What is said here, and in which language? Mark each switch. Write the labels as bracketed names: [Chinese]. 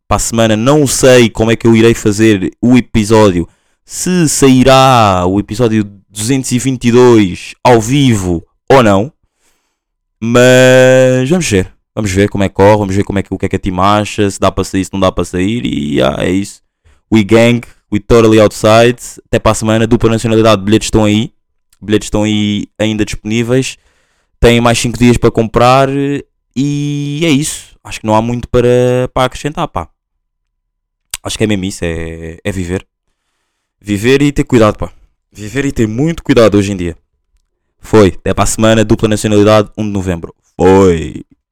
[Portuguese] Para a semana, não sei como é que eu irei fazer o episódio. Se sairá o episódio 222 ao vivo ou não. Mas vamos ver. Vamos ver como é que corre, vamos ver como é que, o que é que a team acha, se dá para sair, se não dá para sair. E yeah, é isso. [English] We gang, we totally outside. [Portuguese] Até para a semana, dupla nacionalidade, bilhetes estão aí. Bilhetes estão aí ainda disponíveis. Têm mais 5 dias para comprar. E é isso. Acho que não há muito para acrescentar, pá. Acho que é mesmo isso, é viver. Viver e ter cuidado, pá. Viver e ter muito cuidado hoje em dia. Foi. Até para a semana, dupla nacionalidade, 1 de novembro. Foi.